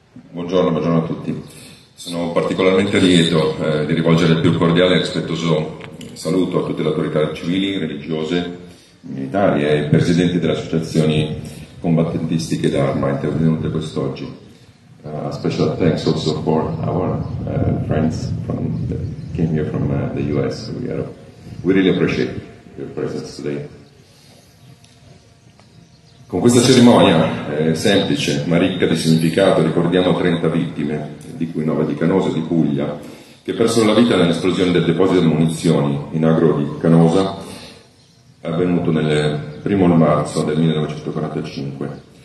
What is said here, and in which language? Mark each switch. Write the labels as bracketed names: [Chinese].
[Italian] Buongiorno a tutti. Sono particolarmente lieto di rivolgere il più cordiale e rispettoso saluto a tutte le autorità civili, religiose, militari e ai presidenti delle associazioni combattentistiche d'arma intervenute quest'oggi. [English] Special thanks also for our friends came here from the US. We really appreciate your presence today. [Italian] Con questa cerimonia semplice ma ricca di significato ricordiamo 30 vittime, di cui 9 di Canosa e di Puglia, che persero la vita nell'esplosione del deposito di munizioni in agro di Canosa, avvenuto nel 1 marzo del 1945.